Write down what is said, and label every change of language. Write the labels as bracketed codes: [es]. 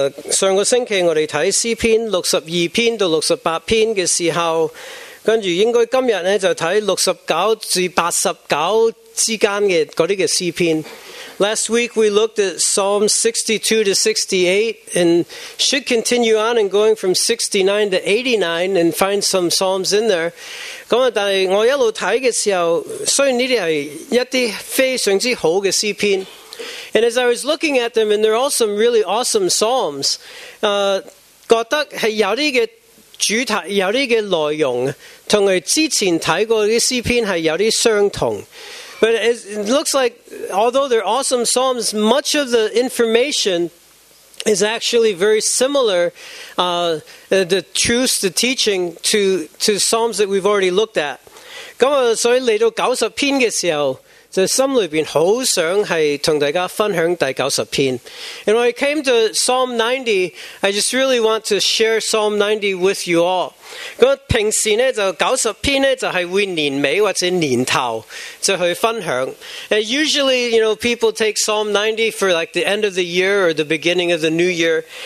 [yue] 上个星期我哋睇诗篇六十二篇到六十八篇嘅时候，跟住应该今日咧就睇六十九至八十九之间嘅嗰啲嘅诗篇。 [en] Last week we looked at Psalms 62 to 68 and should continue on and going from 69 to 89 and find some Psalms in there. [yue] 咁啊，但系我一路睇嘅时候，虽然呢啲系一啲非常之好嘅诗篇 ， [en] and as I was looking at them, and they're all some really awesome Psalms， [yue] 觉得系有啲嘅主题，有啲嘅内容，同佢之前睇过啲诗篇系有啲相同。 [en] But it looks like, although they're awesome psalms, much of the information is actually very similar, the truths, the teaching, to psalms that we've already looked at. [yue] 咁啊，所以嚟到九十篇嘅时候，就心里边好想系同大家分享第九十篇。 [en] And when I came to Psalm 90, I just really want to share Psalm 90 with you all. [yue] 咁平时咧就九十篇咧就系会年尾或者年头就去分享。 [en] And usually, you know, people take Psalm 90 for like the end of the year or the beginning of the new year.